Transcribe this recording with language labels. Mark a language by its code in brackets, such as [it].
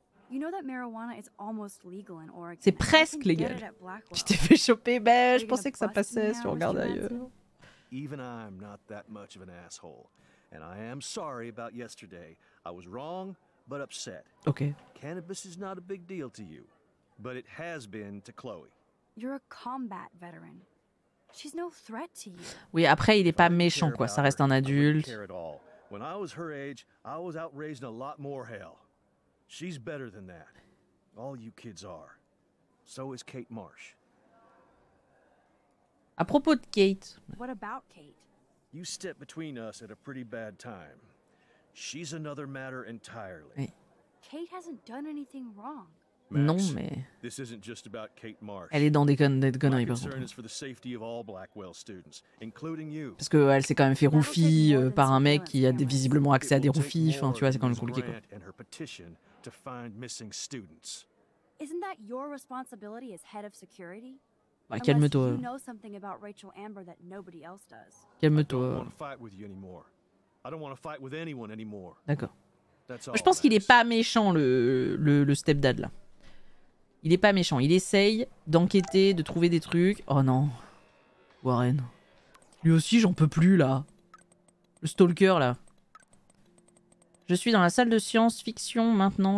[en] You know that marijuana is almost legal in Oregon. [fr] C'est presque légal. Tu t'es fait choper, ben je pensais que ça passait si on regarde ailleurs. [en] Even I'm not that much of an asshole, and I am sorry about yesterday. I was wrong, but upset. Okay. Cannabis is not a big deal to you, but it has been to Chloe. You're a combat veteran. She's no threat to you. [fr] Oui, après il est pas méchant quoi, ça reste un adulte. [en] When I was her age, I was out raising a lot more hell. She's better than that. All you kids are. So is Kate Marsh. [fr] À propos de Kate. [en] What about Kate? You stepped between us at a pretty bad time. She's another matter entirely. [fr] Oui. [en] Kate hasn't done anything wrong. [fr] Max, non, mais... [en] this isn't just about Kate Marsh. [fr] Elle est dans des conneries, par contre. [en] My concern is for the safety of all Blackwell students, including you. [fr] Parce qu'elle s'est quand même fait roufie par un mec qui a visiblement accès à des roufies. Enfin, tu vois, c'est quand même compliqué, quoi. [en] And her petition to find missing students. Isn't that your responsibility as head of security? [fr] Bah, calme-toi. [en] You know something about Rachel Amber that nobody else does. [fr] Calme-toi. [en] I don't want to fight with you anymore. I don't want to fight with anyone anymore. [fr] D'accord. Je pense qu'il est pas méchant le stepdad là. Il est pas méchant. Il essaye d'enquêter, de trouver des trucs. Oh non, Warren. Lui aussi, j'en peux plus là. Le stalker là. Je suis dans la salle de science-fiction maintenant.